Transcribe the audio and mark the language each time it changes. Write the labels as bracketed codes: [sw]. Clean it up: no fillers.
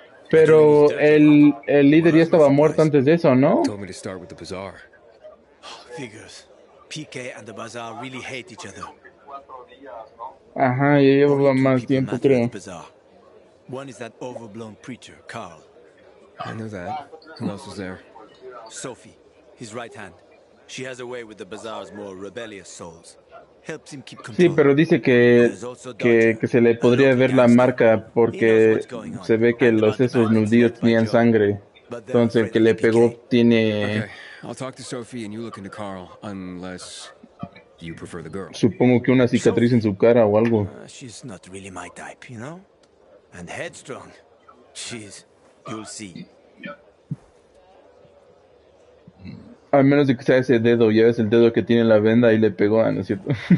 [es] Pero el líder ya estaba muerto antes de eso, ¿no? [en] Told me to start with the bazaar. Figures. PK and the bazaar really hate each other. [es] Ajá, ya lleva más tiempo, creo. [en] One is that overblown preacher, Carl. I know that. Who else was there? Sophie, his right hand. She has a way with the bazaar's more rebellious souls. Helps him keep control. [es] Sí, pero dice que se le podría ver la marca porque se ve que los esos nudillos tenían sangre. Entonces el que le pegó tiene. [en] Okay. I'll talk to Sophie and you look into Carl, unless you prefer the girl. [es] Supongo que una cicatriz en su cara o algo. [en] She's not really my type, you know. And headstrong. She's. You'll see. [es] Al menos de que sea ese dedo, ya ves el dedo que tiene la venda y le pegó, ¿no es cierto?